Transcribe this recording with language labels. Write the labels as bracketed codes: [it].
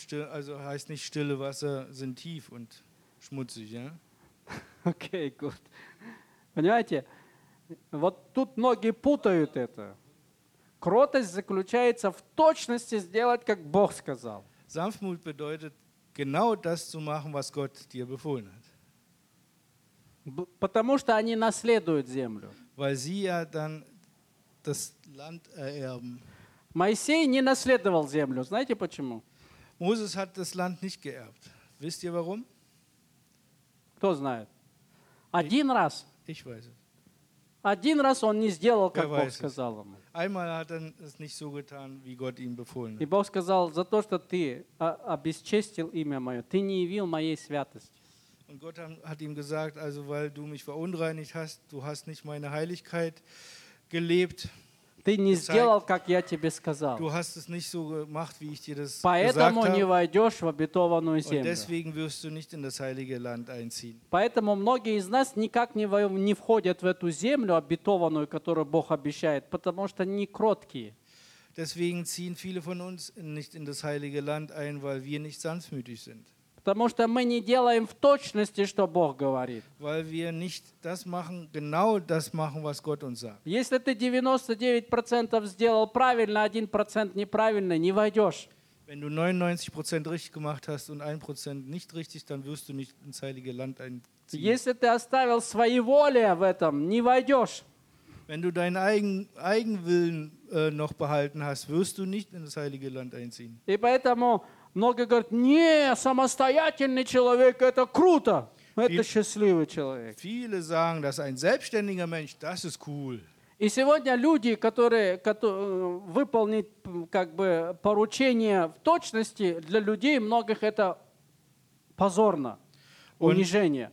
[de] Also heißt nicht stille Wasser sind tief und schmutzig, ja? Okay, gut. [ru] Понимаете? Вот тут многие путают это. Кротость заключается в точности сделать, как Бог сказал. [de] Sanftmut bedeutet genau das zu machen, was Gott dir befohlen hat. [ru] Потому что они наследуют землю. [de] Weil sie ja dann das Land ererben. [ru] Моисей не наследовал землю. Знаете почему? [de] Moses hat das Land nicht geerbt. Wisst ihr warum? [ru] Кто знает? Один раз. [de] Ich weiß es. [ru] Один раз он не сделал, как Бог сказал ему. [de] Einmal hat er es nicht so getan, wie Gott ihm befohlen hat. [ru] И Бог сказал: за то, что ты обесчестил имя мое, ты не явил моей святости. [de] Und Gott hat ihm gesagt, also weil du mich verunreinigt hast, du hast nicht meine Heiligkeit gelebt. [ru] Ты не сделал, как я тебе сказал. [de] Du hast es nicht so gemacht, wie ich dir das [ru] поэтому [de] gesagt [ru] не войдешь в обетованную землю. [de] Und deswegen wirst du nicht in das heilige Land einziehen. [ru] Поэтому многие из нас никак не входят в эту землю обетованную, которую Бог обещает, потому что не кроткие. [de] Deswegen ziehen viele von uns nicht in das heilige Land ein, weil wir nicht sanftmütig sind. [ru] Потому что мы не делаем в точности, что Бог говорит. [de] Weil wir nicht das machen, genau das machen, was Gott uns sagt. [ru] Если ты 99% сделал правильно, 1% неправильно, не войдешь. [de] Wenn du 99% richtig gemacht hast und 1% nicht richtig, dann wirst du nicht ins heilige Land einziehen. [ru] Если ты оставил своеволие в этом, не войдешь. [de] Wenn du deinen Eigenwillen noch behalten hast, wirst du nicht ins heilige Land einziehen. [ru] И поэтому многие говорят: не, самостоятельный человек – это круто, это счастливый человек. [de] Viele sagen, dass ein selbstständiger Mensch, das ist cool. [ru] И сегодня люди, которые выполнят как бы поручение в точности, для людей многих это позорно, унижение.